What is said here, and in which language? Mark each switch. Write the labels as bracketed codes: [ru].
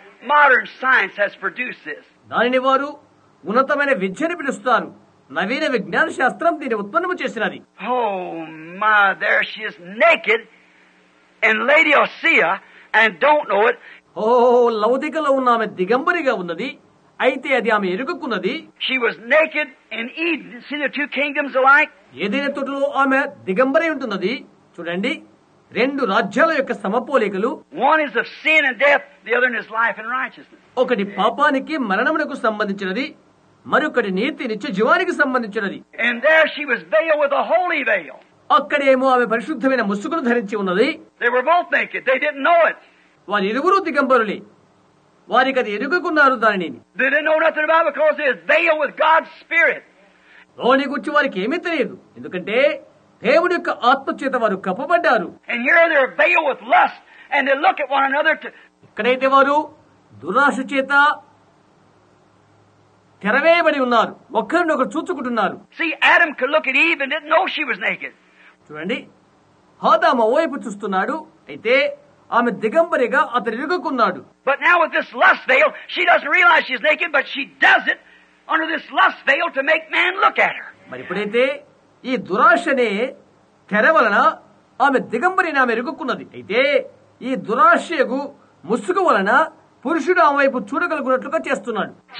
[en] Modern science has produced this. [te] దానిని వారు ఉన్నతమైన విద్యని పిలుస్తారు, నవీన విజ్ఞాన శాస్త్రం దీని ఉత్పన్నము చేసినది. [en] Oh my, there she is naked and Lady Osea and don't know it. [te] Oh, లౌదికలో ఉన్న ఆమె దిగంబరిగా ఉన్నది, అయితే అది ఆమె ఎరుగుకున్నది. [en] She was naked in Eden. See the two kingdoms alike. [te] ఏదైన తోటలో ఆమె దిగంబరి ఉంటున్నది చూడండి, రెండు రాజ్యాల యొక్క సమపోలికలు. [en] One is of sin and death, the other is life and righteousness. [te] ఒకటి పాపానికి మరణమునకు సంబంధించినది, మరొకటి నీతి నిత్య జీవానికి సంబంధించినది. [en] And there she was veiled with a holy veil. [te] అక్కడ ఏమో ఆమె పరిశుద్ధమైన ముసుగును ధరించి ఉన్నది. [en] They were both naked. They didn't know it. [te] వారి ఇరువురు దిగంబరులు, వారికి అది ఎరుగుకున్నారు దానిని. [en] They didn't know nothing about it because it was veiled with God's spirit. [te] దాని గురించి వారికి ఏమీ తెలియదు, ఎందుకంటే దేవుడి యొక్క ఆత్మ చేత వారు కప్పబడ్డారు. [en] And here they're veiled with lust and they look at one another. [te] ఇక్కడైతే వారు దురాశ చేత తెరవేయబడి ఉన్నారు, ఒకరినొకరు చూచుకుంటున్నారు. [en] See, Adam could look at Eve and didn't know she was naked. [te] చూడండి, ఆదాము వైపు చూస్తున్నాడు, అయితే ఆమె దిగంబరిగా అతడు ఇరుగుకున్నాడు. [en] But now with this lust veil, she doesn't realize she's naked, but she does it under this lust veil to make man look at her. [te] మరి ఇప్పుడైతే ఈ దురాశనే తెర వలన ఆమె దిగంబరి ఆమె ఎరుగుకున్నది, అయితే ఈ దురాశకు ముసుగు వలన పురుషుడు ఆమె వైపు చూడగలుగునట్లుగా చేస్తున్నాడు.